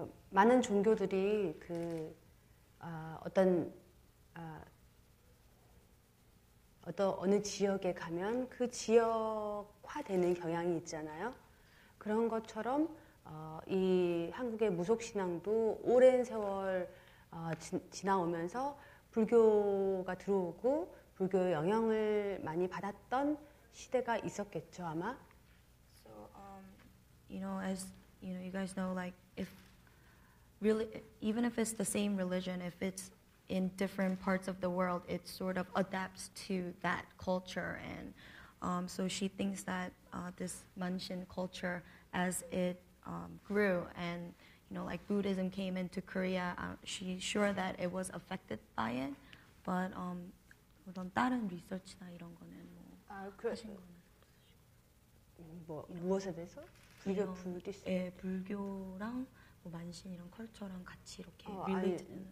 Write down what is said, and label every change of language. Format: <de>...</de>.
<ko>많은 종교들이 그 어떤 어떤 어느 지역에 가면 그 지역화되는 경향이 있잖아요. 그런 것처럼 이 한국의 무속 신앙도 오랜 세월 지나오면서 불교가 들어오고 불교의 영향을 많이 받았던 시대가 있었겠죠, 아마.</ko> <en>So you know, as you know, you guys know, like if really, even if it's the same religion, if it's in different parts of the world, it sort of adapts to that culture. And so she thinks that this Manshin culture, as it grew, and you know, like Buddhism came into Korea, she's sure that it was affected by it.</en> <ko>But 어떤 다른 리서치나 이런 거는 뭐 하신 거는 뭐 무엇에 대해서? 불교 예, 불교랑 뭐 만신 이런 컬처랑 같이 이렇게 밀리드는</ko>